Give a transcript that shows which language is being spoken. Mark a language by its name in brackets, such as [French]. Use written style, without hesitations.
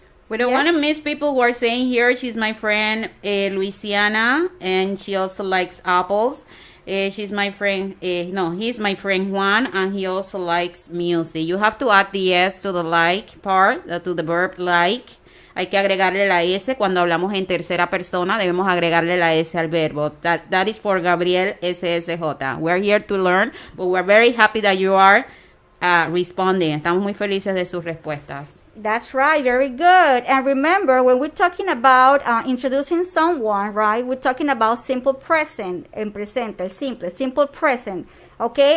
[English] We don't want to miss people who are saying here, she's my friend Louisiana, and she also likes apples. She's my friend, he's my friend Juan, and he also likes music. You have to add the S to the like part, to the verb like. [Spanish] Hay que agregarle la S cuando hablamos en tercera persona, debemos agregarle la S al verbo. [English] That is for Gabriel SSJ. We're here to learn, but we're very happy that you are responding. [Spanish] Estamos muy felices de sus respuestas. [English] That's right, very good. And remember, when we're talking about introducing someone, right, we're talking about simple present, [Spanish] en presente, [English] simple present, okay?